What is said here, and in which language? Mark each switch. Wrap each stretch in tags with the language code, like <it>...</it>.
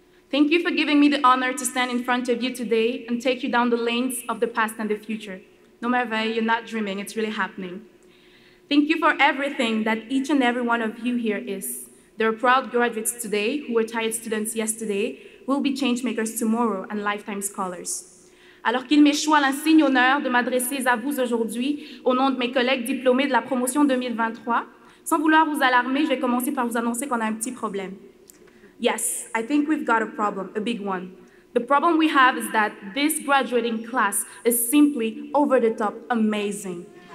<en>Thank you for giving me the honor to stand in front of you today and take you down the lanes of the past and the future. No matter why, you're not dreaming, it's really happening. Thank you for everything that each and every one of you here is. There are proud graduates today who were tired students yesterday, will be change makers tomorrow and lifetime scholars.</en> <fr>Alors qu'il m'échoit l'insigne honneur de m'adresser à vous aujourd'hui au nom de mes collègues diplômés de la promotion 2023, sans vouloir vous alarmer, je vais commencer par vous annoncer qu'on a un petit problème.</fr> <en>Yes, I think we've got a problem, a big one. The problem we have is that this graduating class is simply over the top amazing.</en>